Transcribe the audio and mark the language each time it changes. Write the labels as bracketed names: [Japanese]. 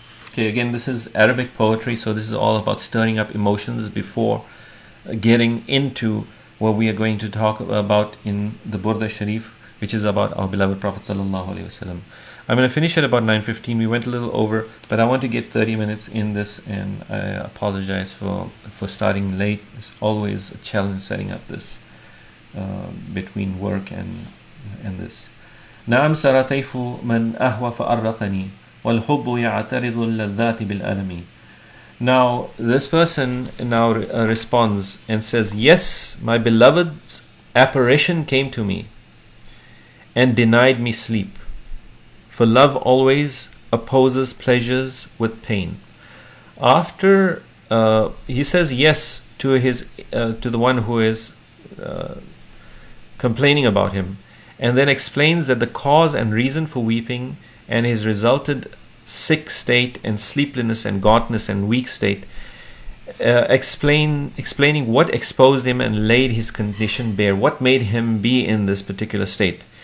[English] Okay, again, this is Arabic poetry, so this is all about stirring up emotions before getting into what we are going to talk about in the Burdah Shareef, which is about our beloved Prophet sallallahu alaihi wasallam. I'm going to finish at about 9:15. We went a little over, but I want to get 30 minutes in this, and I apologize for starting late. It's always a challenge setting up this between work and this. [Arabic] نعم سرطيف من أهوى فأرطني والحب يعترض اللذات بالألم. [English] Now this person now responds and says, yes, my beloved's apparition came to me and denied me sleep, for love always opposes pleasures with pain. After he says yes to his to the one who is complaining about him, and then explains that the cause and reason for weeping and his resulted sick state and sleeplessness and gauntness and weak state, explaining what exposed him and laid his condition bare, what made him be in this particular state.